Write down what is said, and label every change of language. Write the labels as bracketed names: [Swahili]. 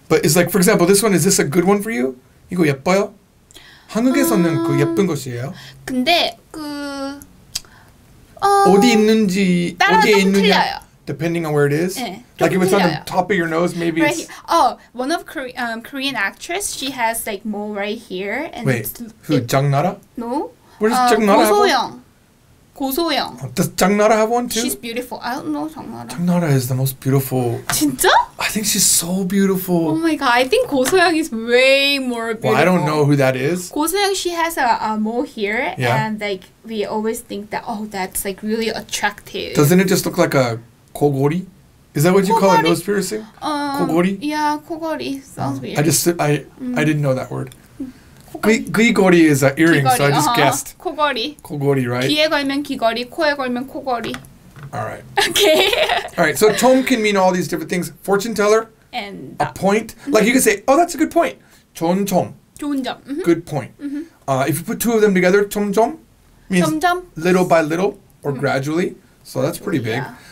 [English] But it's like, for example, this one, is this a good one for you? [Korean] 이거 예뻐요? 한국에서는 그 예쁜 것이에요? 근데, 그... 어디 있는지, 어디에 있느냐? 따라 좀 틀려요. [English] Depending on where it is? [Korean] 네, [English] like, if it's [Korean] 틀려요. [English] On the top of your nose, maybe right it's... Oh, one of Korean actress, she has, like, mole right here. And wait, who, Jang Nara? No. Where does Jang Nara have one? 고소영. Does 장나라 have one too? She's beautiful. I don't know 장나라. 장나라 is the most beautiful. [Korean] 진짜? [English] I think she's so beautiful. Oh my god, I think 고소영 is way more beautiful. Well, I don't know who that is. 고소영, she has a mole here. Yeah. And like, we always think that, oh, that's like really attractive. Doesn't it just look like a 코고리? Is that what you call a nose piercing? [Korean] 코고리? [English] Yeah, 코고리 sounds weird. I didn't know that word. 귀걸이 is an earring, 귀걸이. So I just guessed. [Korean] 코걸이. 코걸이, right? 귀에 걸면 귀걸이, 코에 걸면 코걸이. [English] Alright. Okay. Alright, so 좀 can mean all these different things. Fortune teller. And. A point. Like you could say, oh, that's a good point. [Korean] 좋은 점. 좋은 점. [English] Good point. If you put two of them together, 점점 means [Korean] 점점. [English] Little by little or gradually. So gradually, that's pretty big. Yeah.